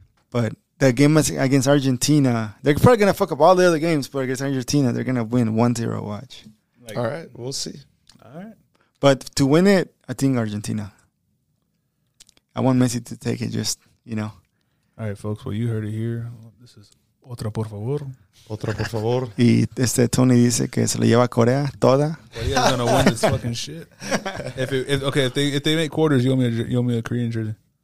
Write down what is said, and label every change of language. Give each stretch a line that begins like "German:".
English: But the game against Argentina, they're probably gonna fuck up all the other games, but against Argentina, they're gonna win 1-0. Watch. Like, all right, we'll see. All right, but to win it, I think Argentina. I want Messi to take it, just, you know. All right, folks. Well, you heard it here. This is Otra Por Favor. Otra Por Favor.
Spanish: Y este Tony dice que se lo lleva Corea toda.
English: Well, yeah, gonna win this fucking shit. If they make quarters, you owe me a Korean jersey.